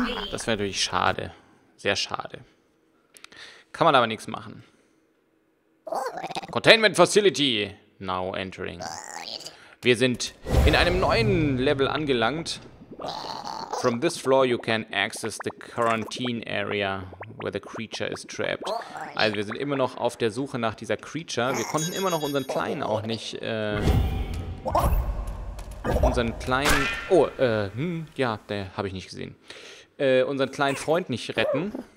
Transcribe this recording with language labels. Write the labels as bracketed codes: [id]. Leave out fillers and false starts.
[de] Das wäre natürlich schade. Sehr schade. Kann man aber nichts machen. [en] Containment Facility. Now entering. [de] Wir sind in einem neuen Level angelangt. [en] From this floor you can access the quarantine area where the creature is trapped. [de] Also wir sind immer noch auf der Suche nach dieser Creature. Wir konnten immer noch unseren Kleinen auch nicht, unseren kleinen Freund nicht retten.